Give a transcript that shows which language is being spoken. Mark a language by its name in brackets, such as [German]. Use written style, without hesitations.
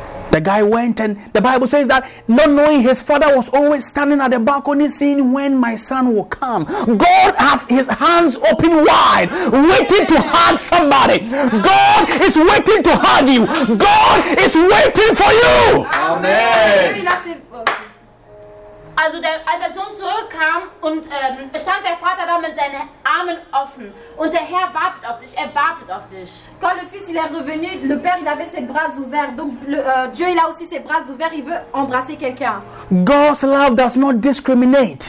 [English] The guy went, and the Bible says that not knowing his father was always standing at the balcony seeing when my son will come. God has his hands open wide, waiting to hug somebody. God is waiting to hug you. God is waiting for you. Amen. [German] Also der, als der Sohn zurückkam und stand der Vater da mit seinen Armen offen und der Herr wartet auf dich. Er wartet auf dich. [French] Quand le fils il est revenu, le père il avait ses bras ouverts. Donc le, Dieu il a aussi ses bras ouverts. Il veut embrasser quelqu'un. [English] God's love does not discriminate.